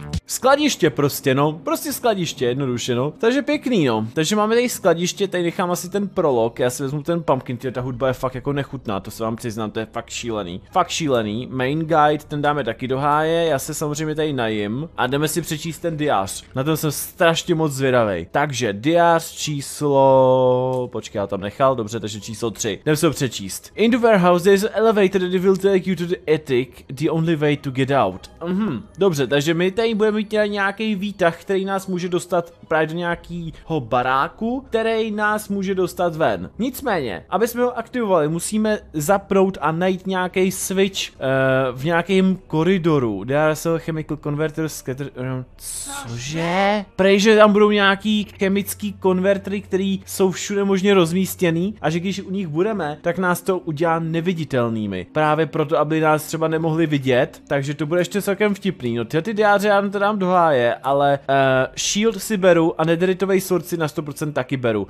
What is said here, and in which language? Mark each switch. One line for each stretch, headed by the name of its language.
Czech: Skladiště prostě, no, prostě skladiště, jednoduše, no, takže pěkný, no, takže máme tady skladiště, tady nechám asi ten prolog, já si vezmu ten pumpkin, tyhle, ta hudba je fakt jako nechutná, to se vám přiznám, to je fakt šílený, main guide, ten dáme taky do háje, já se samozřejmě tady najím a jdeme si přečíst ten diář, na ten jsem strašně moc zvědavej, takže diář číslo, počkej, já tam nechal, dobře, takže číslo 3, jdeme se ho přečíst.
English: In the warehouse there is an elevator that will take you to the attic, the only way to get out.
Czech: Dobře, takže my tady budeme mít nějaký výtah, který nás může dostat právě do nějakého baráku, který nás může dostat ven. Nicméně, aby jsme ho aktivovali, musíme zaprout a najít nějaký switch v nějakém koridoru.
English: There are chemical converters scattered around.
Czech: Cože? Prej, že tam budou nějaký chemický konvertery, který jsou všude možně rozmístěný a že když u nich budeme, tak nás to udělá neviditelnými. Právě proto, aby nás třeba nemohli vidět, takže to bude ještě celkem vtipný. No ty diáře, to dám do háje, ale shield si beru a netheritovej sword si na 100% taky beru.